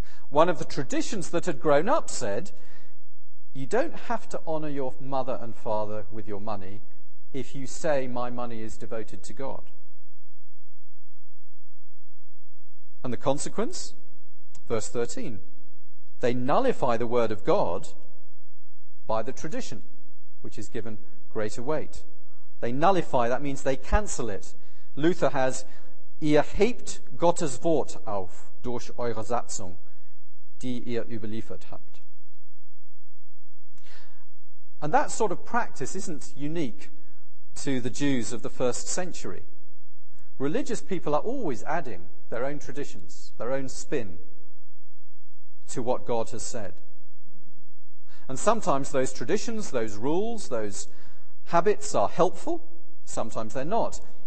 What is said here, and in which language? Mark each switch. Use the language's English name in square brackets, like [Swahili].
[English] One of the traditions that had grown up said, you don't have to honour your mother and father with your money if you say my money is devoted to God. And the consequence? Verse 13. They nullify the word of God by the tradition, which is given greater weight. They nullify, that means they cancel it. Luther has, [German] ihr hebt Gottes Wort auf durch eure Satzung, die ihr überliefert habt. [English] And that sort of practice isn't unique to the Jews of the first century. Religious people are always adding their own traditions, their own spin to what God has said. And sometimes those traditions, those rules, those habits are helpful, sometimes they're not.